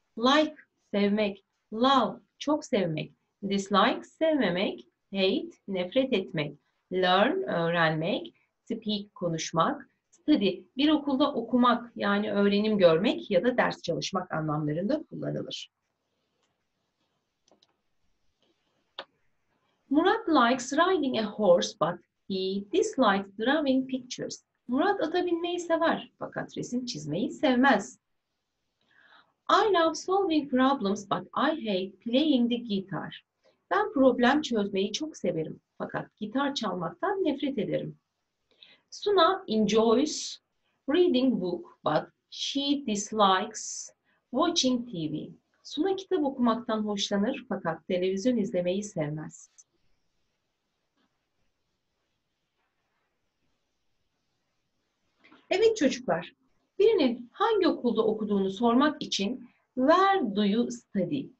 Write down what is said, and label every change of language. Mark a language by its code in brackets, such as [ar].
[tr] Like, sevmek. Love, çok sevmek. Dislike, sevmemek. Hate, nefret etmek. Learn, öğrenmek. Speak, konuşmak. Study, bir okulda okumak, yani öğrenim görmek ya da ders çalışmak anlamlarında kullanılır. [en] Murat likes riding a horse but he dislikes drawing pictures. [tr] Murat ata binmeyi sever fakat resim çizmeyi sevmez. [en] I love solving problems but I hate playing the guitar. [tr] Ben problem çözmeyi çok severim fakat gitar çalmaktan nefret ederim. [en] Suna enjoys reading book but she dislikes watching TV. [tr] Suna kitap okumaktan hoşlanır fakat televizyon izlemeyi sevmez. Evet çocuklar, birinin hangi okulda okuduğunu sormak için [en] where do you study?